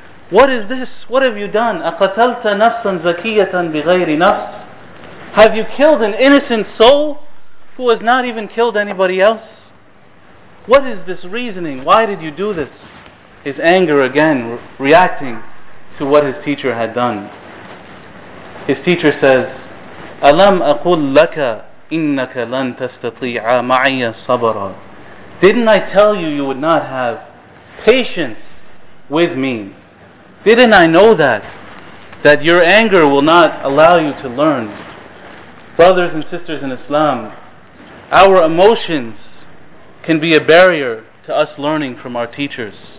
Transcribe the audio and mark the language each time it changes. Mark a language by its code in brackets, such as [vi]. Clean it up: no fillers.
[en] What is this? What have you done? [ar] أَقَتَلْتَ نَفْسًا زَكِيَّةً بِغَيْرِ نَفْسٍ. [en] Have you killed an innocent soul who has not even killed anybody else? What is this reasoning? Why did you do this? His anger again, reacting to what his teacher had done. His teacher says, [ar] أَلَمْ أَقُلْ لَكَ إِنَّكَ لَنْ تَسْتَطِيعَ مَعِيَ صَبَرًا. [en] Didn't I tell you you would not have patience with me? Didn't I know that your anger will not allow you to learn? Brothers and sisters in Islam, our emotions can be a barrier to us learning from our teachers.